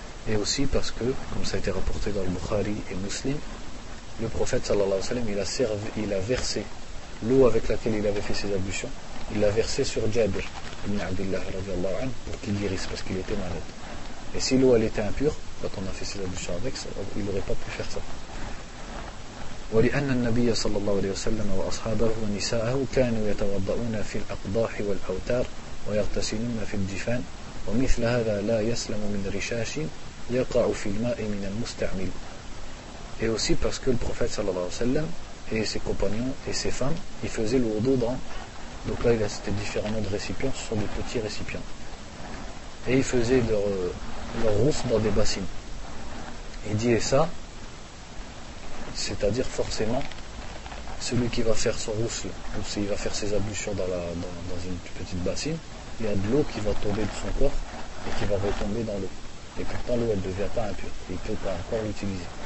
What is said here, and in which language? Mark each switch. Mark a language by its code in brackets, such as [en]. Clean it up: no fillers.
[fr] Et aussi parce que, comme ça a été rapporté dans le Bukhari et Muslim, le prophète sallallahu alayhi wa sallam, il a versé l'eau avec laquelle il avait fait ses ablutions, il l'a versé sur Jabir ibn Abdullah radiallahu anhu pour qu'il guérisse parce qu'il était malade. Et si l'eau elle était impure, quand on a fait ses ablutions avec, il n'aurait pas pu faire ça. [ar] ولأن النبي صلى الله عليه وسلم وأصحابه ونساءه كانوا يتوضؤون في الأقضاح والأوتار ويغتسلون في الجفان ومثل هذا لا يسلم من رشاش يقع في الماء من المستعمل. [fr] Et aussi parce que le prophète [ar] صلى الله عليه وسلم [fr] et ses compagnons et ses femmes, ils faisaient le wudu dans, donc là c'était différemment de récipients, ce sont des petits récipients, et ils faisaient leur rousse dans des bassines. Il dit ça, c'est-à-dire forcément celui qui va faire son roussel ou s'il va faire ses ablutions dans une petite bassine, il y a de l'eau qui va tomber de son corps et qui va retomber dans l'eau, et pourtant l'eau elle ne devient pas impure, il ne peut pas encore l'utiliser.